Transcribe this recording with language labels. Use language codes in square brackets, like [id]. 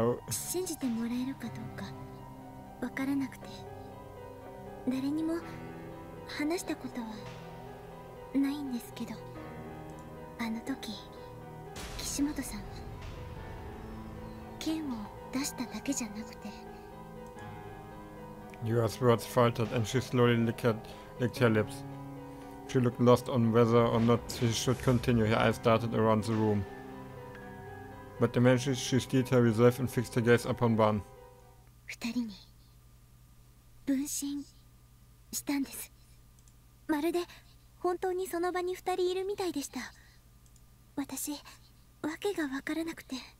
[ja] 信じてもらえるかどうかわからなくて、誰にも話したことはないんですけど、あの時岸本さんは剣を出しただけじゃなくて。 [en] Your words faltered and she slowly licked her lips. She looked lost on whether or not she should continue. Her eyes darted around the room. But eventually she steeled her reserve and fixed her gaze upon Van. [ja] 二人に分身したんです。まるで本当にその場に二人いるみたいでした。私、わけが分からなくて。